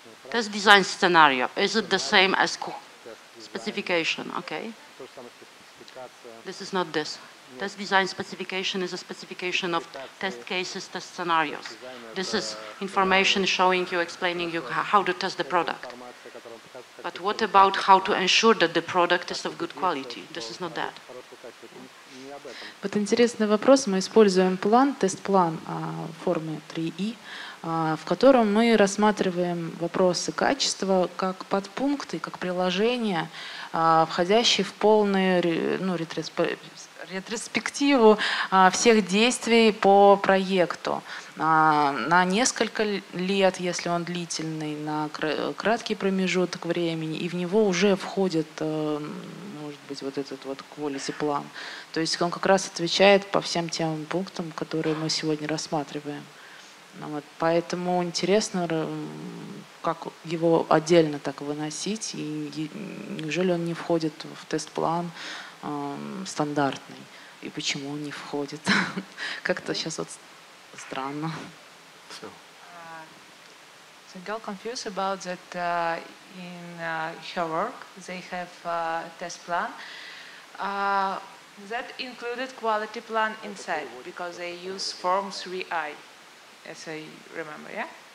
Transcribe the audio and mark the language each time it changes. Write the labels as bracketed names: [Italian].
[English] Test design scenario, is it the same as specification, okay? This is not this. Test design specification is a specification of test cases, test scenarios. This is information showing you, explaining you how to test the product. But what about how to ensure that the product is of good quality? This is not that. [Russian] But интересный вопрос. Мы используем план, тест-план формы 3E, в котором мы рассматриваем вопросы качества как подпункты, как приложения, входящие в полный ретроспективу всех действий по проекту на несколько лет, если он длительный, на краткий промежуток времени, и в него уже входит, может быть, вот этот вот quality plan. То есть он как раз отвечает по всем тем пунктам, которые мы сегодня рассматриваем. Вот. Поэтому интересно, как его отдельно так выносить, и неужели он не входит в тест-план стандартный, и почему он не входит. Как-то сейчас вот странно. [English] The girl confused about that in her work they have a test plan. That included quality plan inside, because they use form 3i, as I remember, yeah?